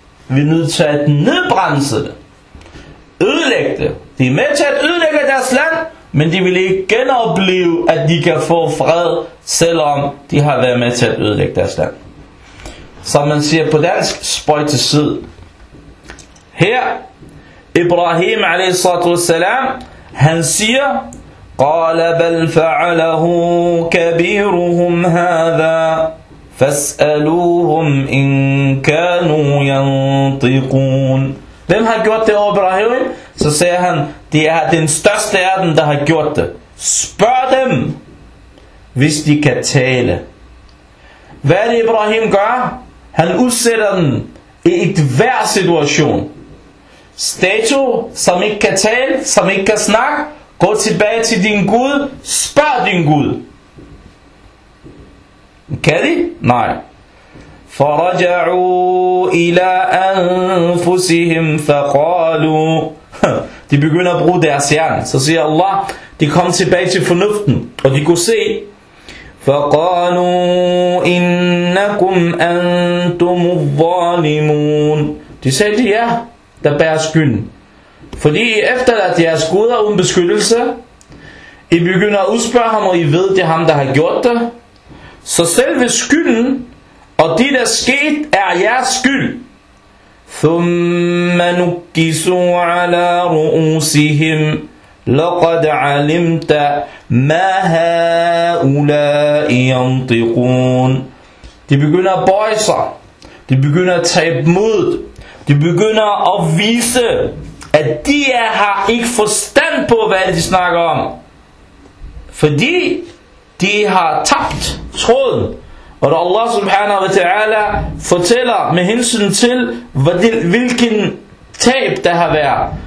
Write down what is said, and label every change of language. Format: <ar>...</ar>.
<da>Vi er nødt til at nedbremse det. Ødelægge det. De er med til at ødelægge deres land, men de vil ikke genopleve, at de kan få fred, selvom de har været med til at ødelægge deres land. Som man siger på dansk, spøj til sid. Her, Ibrahim a.s. han siger,</da> <ar>قَالَ بَلْ فَعَلَهُ كَبِيرُهُمْ هَذَا فَاسْأَلُوهُمْ إِن كَانُوا يَنْطِقُونَ.</ar> <da>Hvem har gjort det over Ibrahim? Så siger han, det er den største af dem, der har gjort det. Spørg dem, hvis de kan tale. Hvad er det Ibrahim gør? Han udsætter dem i et hver situation. Statu, som ikke kan tale, som ikke kan snakke, gå tilbage til din Gud, spørg din Gud. Kan de? Nej.</da> <ar>فرجعوا إلى أنفسهم فقالوا.</ar> <da>De begynder at bruge deres hjerne. Så siger Allah, de kom tilbage til fornuften, og de kunne se.</da> <ar>فقالوا إنكم أنتم الظالمون.</ar> <da>De sagde, det er jer, der bærer skylden. Fordi I efterladt jeres guder uden beskyttelse. I begynder at udspørge ham, og I ved, det er ham, der har gjort det. Så selve skylden og det, der skete, er jeres skyld.</da> <ar>ثم نكسوا على رؤوسهم لقد علمت ما هؤلاء ينطقون.</ar> <da>De begynder at bøje sig. De begynder at tabe mod. De begynder at vise, at de har ikke forstand på, hvad de snakker om. Fordi de har tabt tråden. Og da Allah subhanahu wa ta'ala fortæller med hensyn til, hvilken tab der har været.</da>